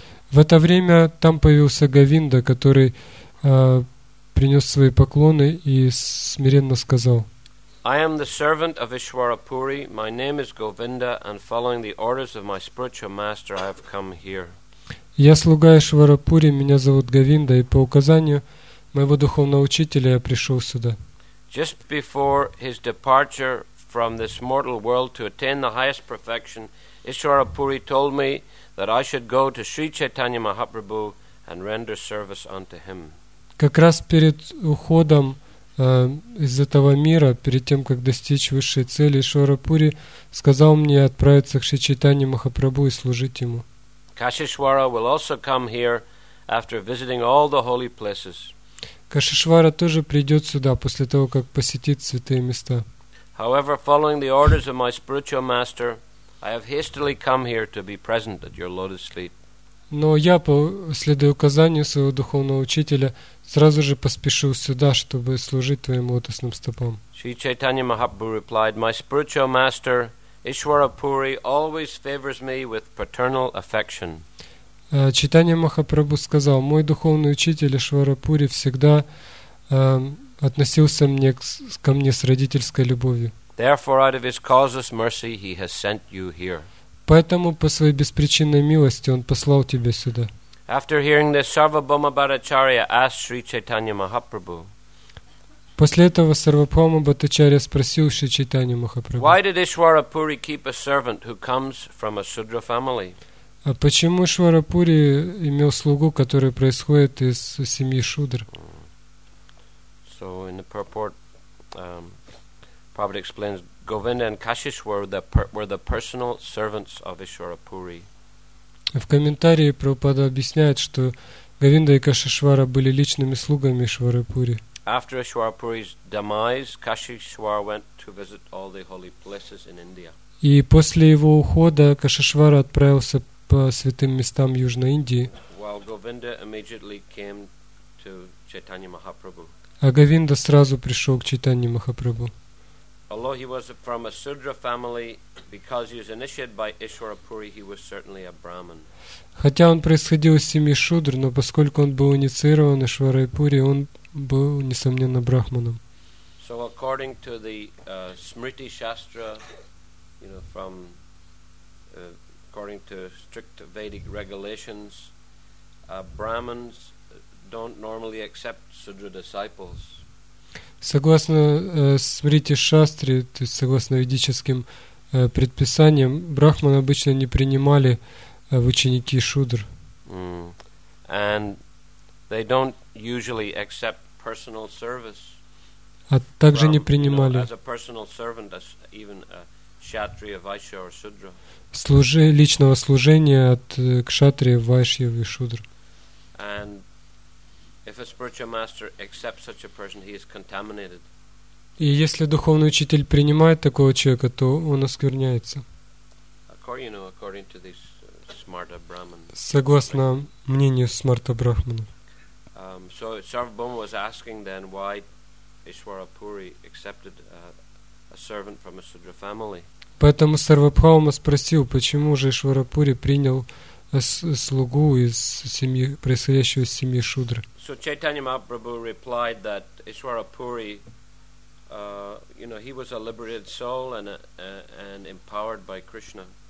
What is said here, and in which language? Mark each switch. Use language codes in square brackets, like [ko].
[ru] В это время там появился Говинда, который принес свои поклоны и смиренно сказал: [en] I am the servant of Ishwara Puri. My name is Govinda, and following the orders of my spiritual master, I have come here. [ru] Я слуга Ишвара Пури, меня зовут Говинда, и по указанию моего духовного учителя я пришел сюда. [en] Just before his departure from this mortal world to attain the highest perfection, Ishwara Puri told me that I should go to Sri Chaitanya Mahaprabhu and render service unto him. [ru] Как раз перед уходом из этого мира, перед тем, как достичь высшей цели, Ишвара Пури сказал мне отправиться к Шри Чайтанье Махапрабху и служить ему. [en] Кашишвара will also come here after visiting all the holy places. [ru] Кашишвара тоже придет сюда после того, как посетит святые места. [en] However, following the orders of my spiritual master, I have hastily come here to be present at your lotus feet. [ru] Но я, следуя указанию своего духовного учителя, сразу же поспешил сюда, чтобы служить твоим лотосным стопам. [en] Sri Chaitanya Mahaprabhu replied, My spiritual master, Ishwara Puri, always favors me with paternal affection. [ru] Чайтанья Махапрабху сказал, мой духовный учитель Ишвара Пури всегда относился мне ко мне с родительской любовью. [en] Therefore, out of his causeless mercy, he has sent you here. [ru] Поэтому по своей беспричинной милости он послал тебя сюда. [en] After hearing this, Sarvabhauma Bhattacharya asked Sri Chaitanya Mahaprabhu. [ru] После этого Сарвабхаума Бхаттачарья спросил Шри Чайтанью Махапрабху. [en] Why did Ishwara Puri keep a servant who comes from a Shudra family? [ru] А почему Ишвара Пури имел слугу, который происходит из семьи Шудр? [en] So in the purport, Prabhupada explains Govinda and Kashishwar were the personal servants of Ishwara Puri. [ru] В комментарии Прабхупада объясняет, что Говинда и Кашишвара были личными слугами Ишвары Пури. [en] After Ishwara Puri's demise, Kashishwar went to visit all the holy places in India. [ru] И после его ухода Кашишвара отправился по святым местам Южной Индии. [en] While Govinda immediately came to Chaitanya Mahaprabhu. [ru] А Говинда сразу пришел к Чайтанье Махапрабху. [en] Although he was from a Sudra family, because he was initiated by Ishwara Puri, he was certainly a Brahmin. [ru] Хотя он происходил из семьи Шудр, но поскольку он был инициирован Ишварой Пури, он был несомненно брахманом. [en] So according to the Smriti Shastra, you know, from according to strict Vedic regulations, Brahmins don't normally accept Sudra disciples. [ru] Согласно Смрити Шастре, то есть согласно ведическим предписаниям, брахманы обычно не принимали в ученики шудр. [en] And they don't usually accept personal service. [ru] А также не принимали, [en] you know, as a personal servant, as even a kshatriya, vaishya or shudra. [ru] Личного служения от кшатрия, вайшья и шудр. [en] And if a spiritual master accepts such a person, he is contaminated. [ru] И если духовный учитель принимает такого человека, то он оскверняется. [en] According to this smarta brahman. [ru] Согласно мнению смарта брахмана. [en] So Sarvabhauma was asking then why Ishwara Puri accepted a servant from a Sudra family. [ru] Поэтому Сарвабхаума спросил, почему же Ишвара Пури принял слугу из семьи, происходящего из семьи Шудр. [en] So Chaitanya Mahaprabhu replied that Ishwara Puri, he was a liberated soul and empowered by Krishna.